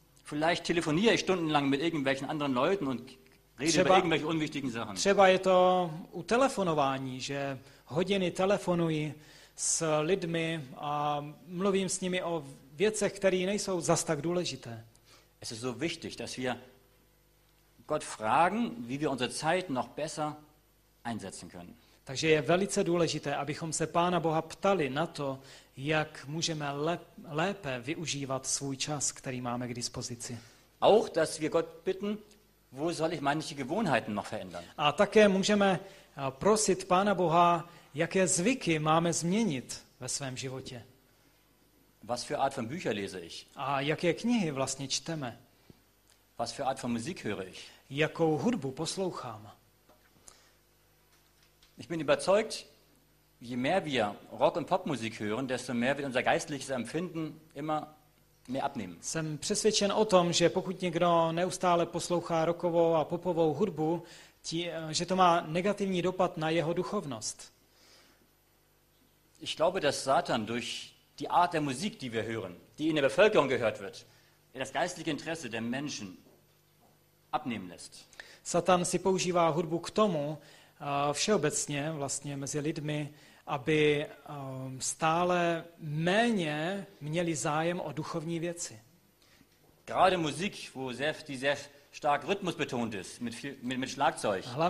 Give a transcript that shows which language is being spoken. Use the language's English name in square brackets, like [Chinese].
[German] Vielleicht telefoniere ich stundenlang mit irgendwelchen anderen Leuten und rede über irgendwelche unwichtigen Sachen. [Czech] Třeba je to u telefonování, že hodiny telefonuji s lidmi a mluvím s nimi o věcech, které nejsou zas tak důležité. [German] Es ist so wichtig, dass wir Gott fragen, wie wir unsere Zeit noch besser einsetzen können. [Czech] Takže je velice důležité, abychom se Pána Boha ptali na to, jak můžeme lépe využívat svůj čas, který máme k dispozici. [German] Auch, dass wir Gott bitten, wo soll ich meine Gewohnheiten noch verändern? [Czech] A také můžeme prosit Pána Boha, jaké zvyky máme změnit ve svém životě. [German] Was für Art von Bücher lese ich? [Czech] A jaké knihy vlastně čteme? [German] Was für Art von Musik höre ich? [Czech] Jakou hudbu poslouchám? [German] Ich bin überzeugt, je mehr wir Rock- und Popmusik hören, desto mehr wird unser geistliches Empfinden immer mehr abnehmen. [Czech] Jsem přesvědčen o tom, že pokud někdo neustále poslouchá rockovou a popovou hudbu, že to má negativní dopad na jeho duchovnost. [German] Ich glaube, dass Satan durch die Art der Musik, die wir hören, die in der Bevölkerung gehört wird, das geistliche Interesse der Menschen abnehmen lässt. [Czech] Satan si používá hudbu k tomu, všeobecně vlastně mezi lidmi, aby stále méně měli zájem o duchovní věci. [German] Gerade Musik, wo sehr stark Rhythmus betont ist mit Schlagzeug.